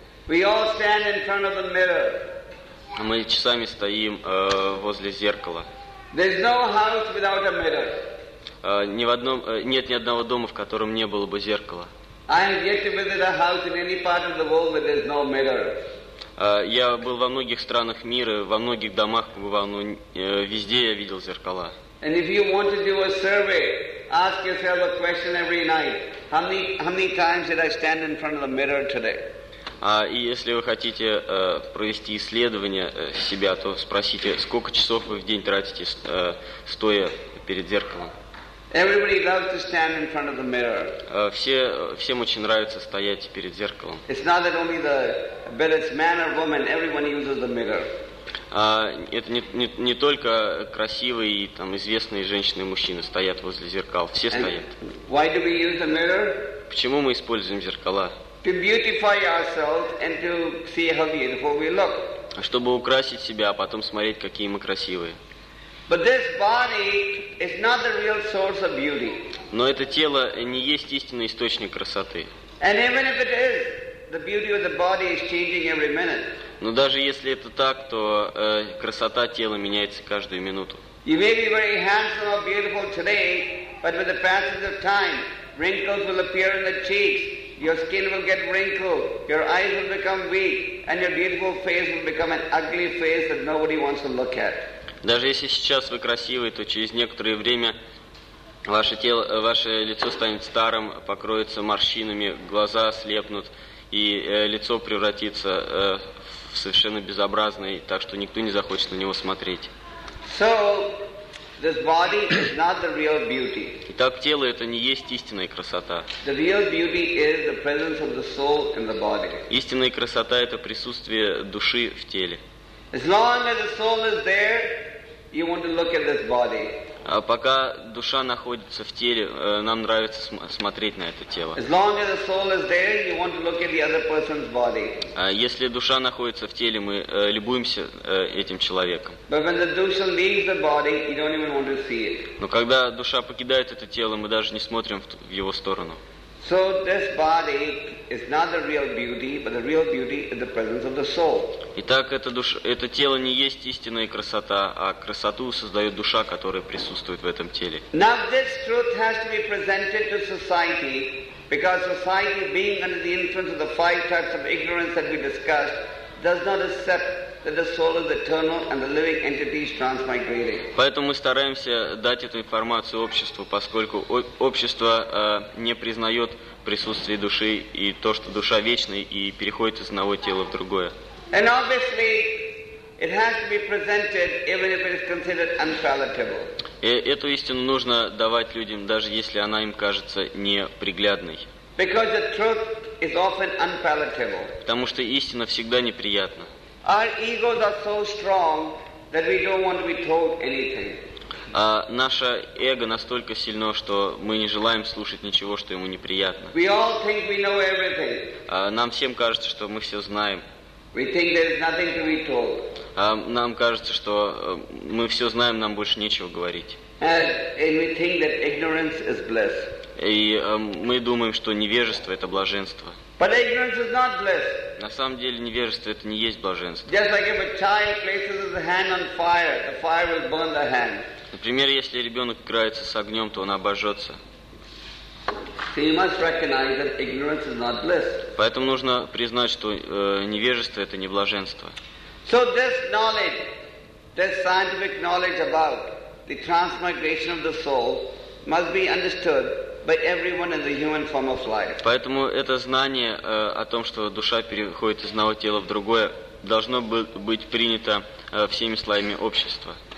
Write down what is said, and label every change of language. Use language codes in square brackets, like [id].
[en] We all stand in front of the mirror. [ru] Мы часами стоим возле зеркала. [en] There's no house without a mirror. [ru] Нет ни одного дома, в котором не было бы зеркала. [en] I have yet to visit a house in any part of the world where there's no mirror. [ru] Я был во многих странах мира, во многих домах побывал, но везде я видел зеркала. [en] And if you want to do a survey, ask yourself a question every night. How many times did I stand in front of the mirror today? [ru] И если вы хотите провести исследование себя, то спросите, сколько часов вы в день тратите, стоя перед зеркалом. [en] Everybody loves to stand in front of the mirror. [ru] Всем очень нравится стоять перед зеркалом. [en] It's not that only the, but it's man or woman. Everyone uses the mirror. [ru] Это не только красивые и там известные женщины и мужчины стоят возле зеркал. Все стоят. [en] Why do we use the mirror? [ru] Почему мы используем зеркала? [en] To beautify ourselves and to see how beautiful we look. [ru] Чтобы украсить себя, а потом смотреть, какие мы красивые. [en] But this body is not the real source of beauty. [ru] Но это тело не есть истинный источник красоты. [en] And even if it is, the beauty of the body is changing every minute. [ru] Но даже если это так, то красота тела меняется каждую минуту. [en] You may be very handsome or beautiful today, but with the passage of time, wrinkles will appear in the cheeks. Your skin will get wrinkled, your eyes will become weak, and your beautiful face will become an ugly face that nobody wants to look at. [ru] Даже если сейчас вы красивый, то через некоторое время ваше тело, ваше лицо станет старым, покроется морщинами, глаза ослепнут, и лицо превратится в совершенно безобразное, так что никто не захочет на него смотреть. [en] So, this body is not the real beauty. [ru] Итак, тело это не есть истинная красота. [en] The real beauty is the presence of the soul in the body. [ru] Истинная красота это присутствие души в теле. [en] As long as the soul is there, you want to look at this body. [ru] А пока душа находится в теле, нам нравится смотреть на это тело. [en] As long as the soul is there, you want to look at the other person's body. [ru] А если душа находится в теле, мы любуемся этим человеком. [en] But when the soul leaves the body, you don't even want to see it. [ru] Но когда душа покидает это тело, мы даже не смотрим в его сторону. [en] So this body is not the real beauty, but the real beauty is the presence of the soul. [ru] Итак, это тело не есть истинная красота, а красоту создает душа, которая присутствует в этом теле. [en] Now this truth has to be presented to society, because society, being under the influence of the five types of ignorance that we discussed, does not accept that the soul is eternal and the living entity is transmigrating. [ru] Поэтому мы стараемся дать эту информацию обществу, поскольку общество не признает присутствие души и то, что душа вечна и переходит из одного тела в другое. [en] And obviously, it has to be presented even if it is considered unpalatable. [ru] И эту истину нужно давать людям, даже если она им кажется неприглядной. [en] Because the truth is often unpalatable. [ru] Потому что истина всегда неприятна. [en] Our egos are so strong that we don't want to be told anything. [ru] Наше эго настолько сильно, что мы не желаем слушать ничего, что ему неприятно. [en] We all think we know everything. [ru] Нам всем кажется, что мы все знаем. [en] We think there is nothing to be told. [ru] Нам кажется, что мы все знаем, нам больше нечего говорить. [en] And we think that ignorance is bliss. [ru] И мы думаем, что невежество это блаженство. [en] But ignorance is not bliss. [ru] На самом деле невежество это не есть блаженство. [en] Just like if a child places his hand on fire, the fire will burn the hand. [ru] Например, если ребенок играется с огнем, то он обожжется. [en] So you must recognize that ignorance is not bliss. [ru] Поэтому нужно признать, что невежество это не блаженство. [en] So this knowledge, this scientific knowledge about the transmigration of the soul must be understood by everyone in the human form of life. [ru] Поэтому это знание о том, что душа переходит из одного тела в другое, должно быть принято всеми слоями общества.